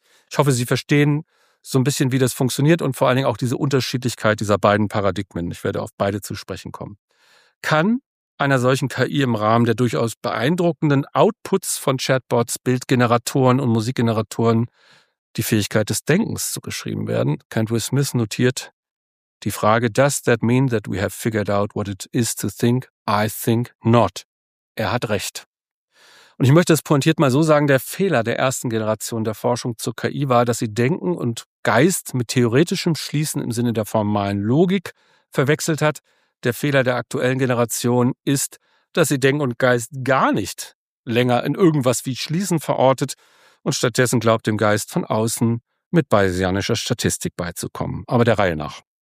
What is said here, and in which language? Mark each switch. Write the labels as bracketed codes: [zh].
[de] Ich hoffe, Sie verstehen so ein bisschen, wie das funktioniert und vor allen Dingen auch diese Unterschiedlichkeit dieser beiden Paradigmen. Ich werde auf beide zu sprechen kommen. Kann einer solchen KI im Rahmen der durchaus beeindruckenden Outputs von Chatbots, Bildgeneratoren und Musikgeneratoren die Fähigkeit des Denkens zugeschrieben werden? [en] Kentwood Smith [de] notiert die Frage, [en] does that mean that we have figured out what it is to think? I think not. [de] Er hat recht. Und ich möchte es pointiert mal so sagen, der Fehler der ersten Generation der Forschung zur KI war, dass sie Denken und Geist mit theoretischem Schließen im Sinne der formalen Logik verwechselt hat. Der Fehler der aktuellen Generation ist, dass sie Denken und Geist gar nicht länger in irgendwas wie Schließen verortet und stattdessen glaubt, dem Geist von außen mit bayesianischer Statistik beizukommen. Aber der Reihe nach.